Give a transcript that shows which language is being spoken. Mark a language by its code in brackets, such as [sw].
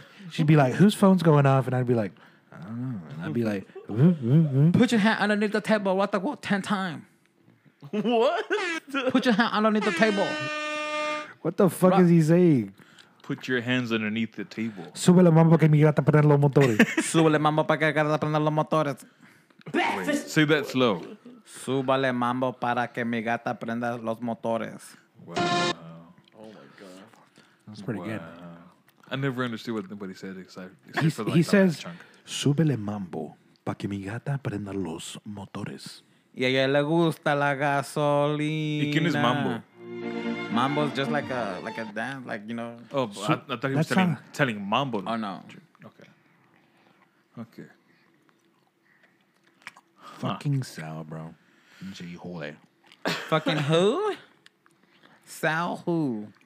[en] She'd be like, whose phone's going off? And I'd be like, I don't know. And I'd be like, put your hand underneath the table, what the what, 10 times. What? Put your hand underneath the table. What the fuck is he saying? Put your hands underneath the table. [es] Sube la mamba que mi gata prende los motores. Sube la mamba para que mi gata prende los motores. [en] Wait, say that slow. [es] Súbale mambo para que mi gata prenda los motores. [en] Wow. Oh my God. That's pretty good. I never understood what anybody said except for the last chunk. He says, [es] súbele mambo para que mi gata prenda los motores. Y a ella le gusta la gasolina. ¿Y quién es mambo? [en] Mambo is just like a dance, like, you know. Oh, I thought he was telling mambo. Oh, no. Okay. Huh. Fucking Sal, bro. Gee, hole. Fucking who? Sal who?